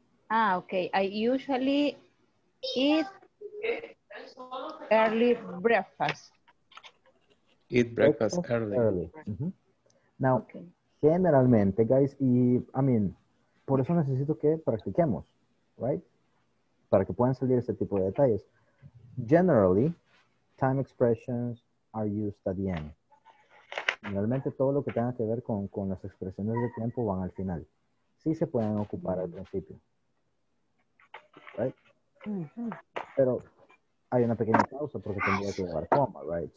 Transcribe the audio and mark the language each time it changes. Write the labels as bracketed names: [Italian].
[English] Ah, okay. I usually eat early breakfast. Eat breakfast early. [Spanish] Mm-hmm. Now. Okay. Generalmente, guys, y, [English] I mean, [Spanish] por eso necesito que practiquemos, right? Para que puedan salir este tipo de detalles. [English] Generally, time expressions are used at the end. [Spanish] Generalmente, todo lo que tenga que ver con las expresiones de tiempo van al final. Sí se pueden ocupar al principio. Right? Pero, hay una pequeña pausa porque tendría que llevar coma, right?